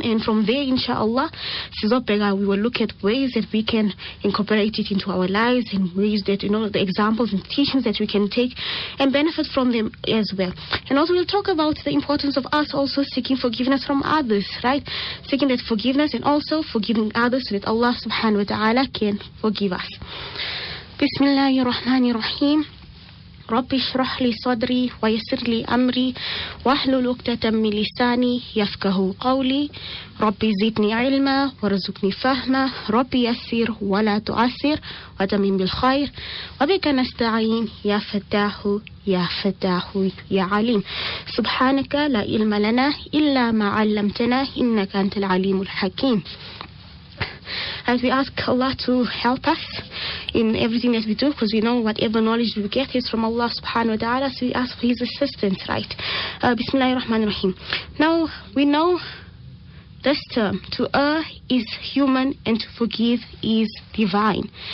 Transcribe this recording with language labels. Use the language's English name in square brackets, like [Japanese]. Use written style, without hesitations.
[English] And from there, inshallah, we will look at ways that we can incorporate it into our lives and ways that, you know, the examples and teachings that we can take and benefit from them as well. And also we'll talk about the importance of us also seeking forgiveness from others, right? Seeking that forgiveness and also forgiving others so that Allah subhanahu wa ta'ala can forgive us. [Arabic] Bismillahirrahmanirrahim. رب اشرح لي صدري ويسر لي امري واحلل عقدة من لساني يفقهوا قولي ربي زدني علما وارزقني فهما ربي يسر ولا تعسر وتمم بالخير وبك نستعين يا فتاح يا فتاح يا عليم سبحانك لا علم لنا الا ما علمتنا انك انت العليم الحكيم. [English] As we ask Allah to help us in everything that we do, because we know whatever knowledge we get is from Allah subhanahu wa ta'ala, so we ask for His assistance, right? Bismillahir Rahmanir Rahim. Now, we know this term, to err is human and to forgive is divine.